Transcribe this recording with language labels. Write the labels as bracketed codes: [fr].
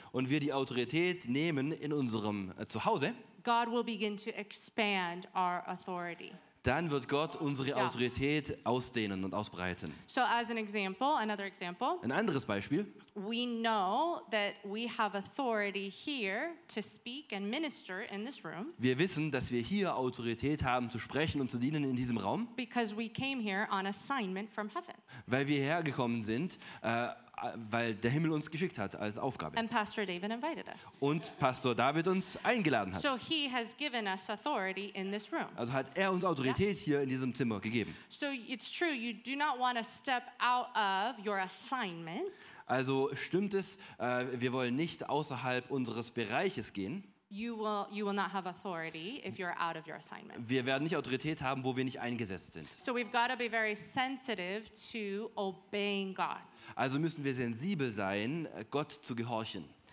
[de] und wir die Autorität nehmen in unserem Zuhause, [en] God will begin to expand our authority. [de] dann wird Gott unsere Autorität ausdehnen und ausbreiten. [en] So as an example, another example. [de] Ein anderes Beispiel. [en] We know that we have authority here to speak and minister in this room. [de] Wir wissen, dass wir hier Autorität haben zu sprechen und zu dienen in diesem Raum. [en] Because we came here on assignment from heaven. [de] Weil wir hergekommen sind, weil der Himmel uns geschickt hat als Aufgabe. [en] And Pastor David invited us. [de] Und Pastor David uns eingeladen hat. [en] So he has given us authority in this room. [de] Also hat er uns Autorität hier in diesem Zimmer gegeben. [en] So it's true, you do not want to step out of your assignment. [de] Also stimmt es, wir wollen nicht außerhalb unseres Bereiches gehen. [en] You will not have authority if you're out of your assignment. [de] Wir werden nicht Autorität haben, wo wir nicht eingesetzt sind. [en] So we've got to be very sensitive to obeying God. [de] Also müssen wir sensibel sein, Gott zu gehorchen.